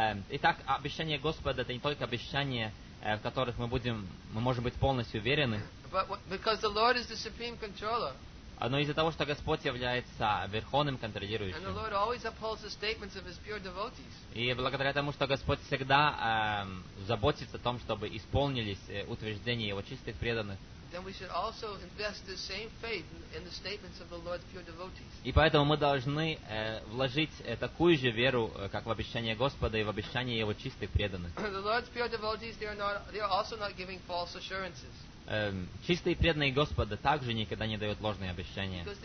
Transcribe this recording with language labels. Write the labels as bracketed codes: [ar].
[ru] Итак, обещания Господа — это не только обещания, в которых мы можем быть полностью уверены. [en] Because the Lord is the supreme controller. [ru] Но из-за того, что Господь является верховным контролирующим. [en] And the Lord always upholds the statements of his pure devotees. [ru] И благодаря тому, что Господь всегда заботится о том, чтобы исполнились утверждения его чистых преданных. [en] Then we should also invest the same faith in the statements of the Lord's pure devotees. [ru] И поэтому мы должны вложить такую же веру, как в обещания Господа и в обещания его чистых преданных. [en] The Lord's pure devotees, they are also not giving false assurances. [ru] Чистые преданные Господа также никогда не дают ложные обещания.